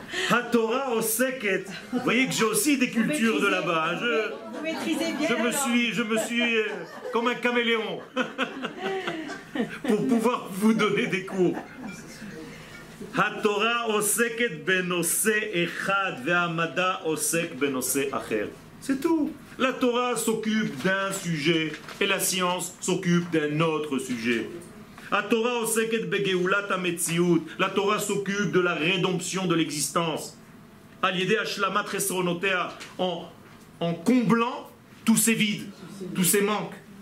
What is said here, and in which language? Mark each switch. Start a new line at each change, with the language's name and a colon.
Hebrew: Ha Torah oseket.
French: Vous voyez que j'ai aussi des cultures de là-bas. Hein. Vous maîtrisez bien. Je me suis comme un caméléon pour pouvoir vous donner des cours.
Hebrew: התורה עוסקת בנושא אחד והמדע עוסק בנושא אחר.
French: C'est tout. La Torah s'occupe d'un sujet et la science s'occupe d'un autre sujet. La
Hebrew: Torah oseket begeulat ametziut.
French: La Torah s'occupe de la rédemption de l'existence.
Hebrew: Aliede ashlamat chesronotea,
French: en comblant tous ces vides, tous ces manques.